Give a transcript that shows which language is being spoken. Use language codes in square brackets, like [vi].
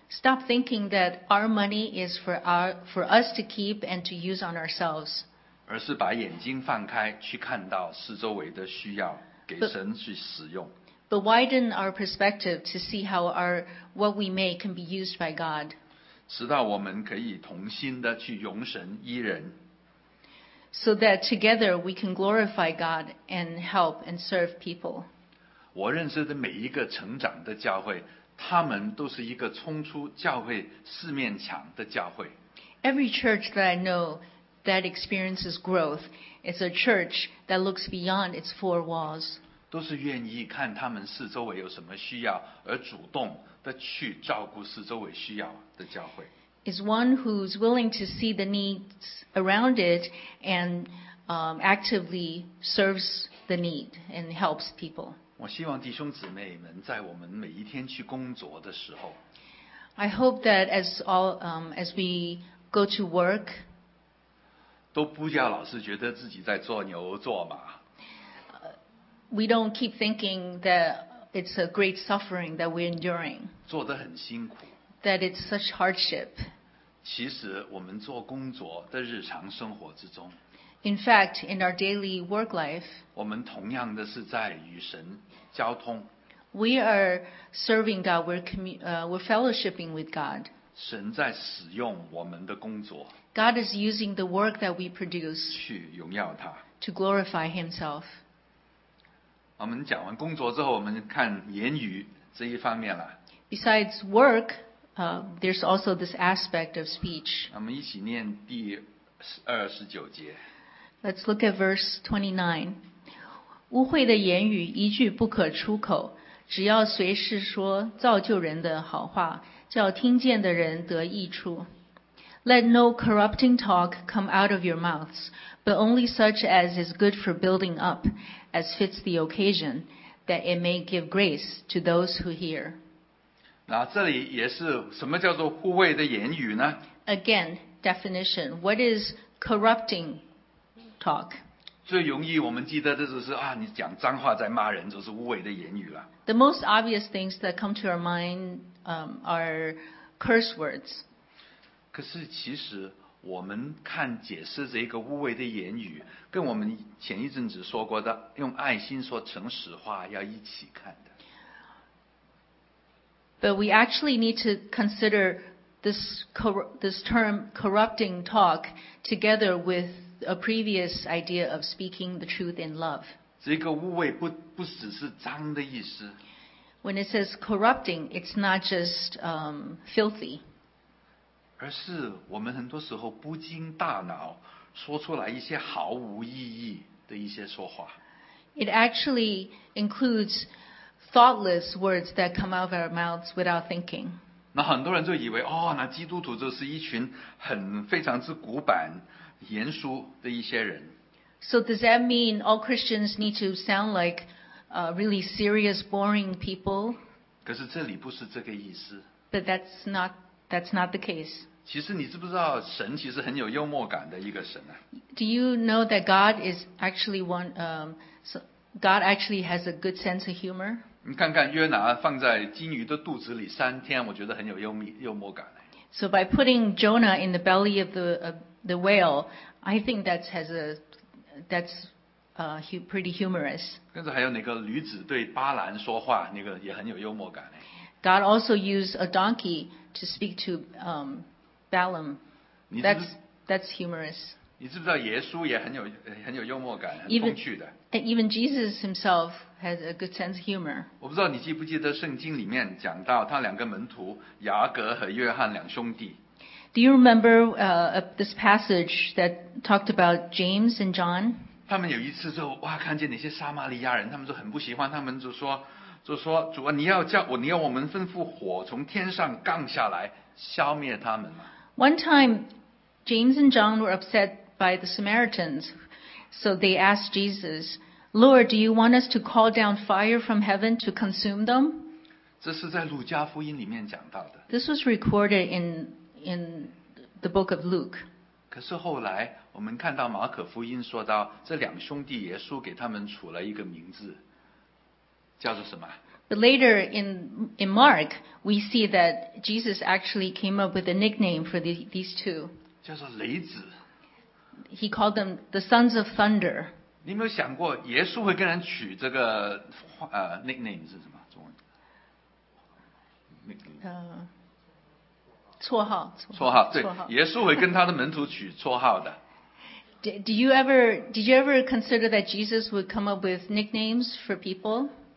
[en] Stop thinking that our money is for us to keep and to use on ourselves. [zh] 而是把眼睛放开，去看到四周围的需要，给神去使用。 [en] But widen our perspective to see how what we make can be used by God. [zh] 直到我们可以同心的去容神依人。 [en] So that together we can glorify God and help and serve people. [zh] 我认识的每一个成长的教会，他们都是一个冲出教会四面墙的教会。 [en] Every church that I know that experiences growth is a church that looks beyond its four walls. [zh] 都是愿意看他们四周围有什么需要而主动的去照顾四周围需要的教会。 [en] Is one who's willing to see the needs around it and actively serves the need and helps people. [zh] 我希望弟兄姊妹们在我们每一天去工作的时候。 [en] I hope that as all as we go to work, [zh] 都不要老是觉得自己在做牛做马。 [en] We don't keep thinking that it's a great suffering that we're enduring. [zh] 做得很辛苦。 [en] That it's such hardship. [zh] 其实我们做工作的日常生活之中。 [en] In fact, in our daily work life, [zh] 我们同样的是在与神交通。 [en] We are serving God, we're fellowshipping with God. [zh] 神在使用我们的工作。 [en] God is using the work that we produce [zh] 去荣耀他。 [en] To glorify himself. [zh] 我们讲完工作之后，我们看言语这一方面了。 [en] Besides work, there's also this aspect of speech. [zh] 我们一起念第二十九节。 [en] Let's look at verse 29. [zh] 污秽的言语一句不可出口，只要随时说造就人的好话，叫听见的人得益处。 [en] Let no corrupting talk come out of your mouths, but only such as is good for building up, as fits the occasion, that it may give grace to those who hear. [zh] 那这里也是什么叫做污秽的言语呢？ [en] Again, definition. What is corrupting talk? [zh] 最容易我们记得的就是啊，你讲脏话在骂人，就是污秽的言语了。 [en] The most obvious things that come to our mind are curse words. [zh] 可是其实我们看解释这个污秽的言语，跟我们前一阵子说过的用爱心说诚实话要一起看的。 [en] But we actually need to consider this term corrupting talk together with a previous idea of speaking the truth in love. [zh] 这个污秽不只是脏的意思。 [en] When it says corrupting, it's not just filthy. [zh] 而是我们很多时候不经大脑说出来一些毫无意义的一些说话。 [en] It actually includes thoughtless words that come out of our mouths without thinking. [zh] 那很多人就以为哦，那基督徒就是一群很非常之古板严肃的一些人。 [en] So does that mean all Christians need to sound like really serious, boring people? [zh] 可是这里不是这个意思。 [en] But that's not the case. [zh] 其实你知不知道神其实很有幽默感的一个神啊？ [en] Do you know that God is actually one, God actually has a good sense of humor? [zh] 你看看约拿放在金鱼的肚子里三天，我觉得很有幽默感。 [en] So by putting Jonah in the belly of the whale, I think that's pretty humorous. [zh] 跟着还有那个驴子对巴兰说话，那个也很有幽默感。 [en] God also used a donkey to speak to Balaam. That's humorous. [zh] 你知不知道耶稣也很有幽默感，很风趣的。 [en] Even Jesus himself has a good sense of humor. [zh] 我不知道你记不记得圣经里面讲到他两个门徒雅各和约翰两兄弟。 [en] Do you remember this passage that talked about James and John? [zh] 他们有一次就哇，看见那些撒玛利亚人，他们就很不喜欢，他们就说主啊，你要我们吩咐火从天上降下来消灭他们吗？ [en] One time, James and John were upset by the Samaritans, so they asked Jesus, "Lord, do you want us to call down fire from heaven to consume them?" [zh] 这是在路加福音里面讲到的。 [en] This was recorded in the book of Luke. [zh] 可是后来我们看到马可福音说到这两兄弟耶稣给他们取了一个名字叫做什么？ [en] But later in Mark, we see that Jesus actually came up with a nickname for these two. [zh] 叫做雷子。 [en] He called them the sons of thunder. [zh] 你有没有想过耶稣会跟人取这个nickname 是什么？中文。绰号，耶稣会跟他的门徒取绰号的。 [en] Did you ever consider that Jesus would come up with nicknames for people?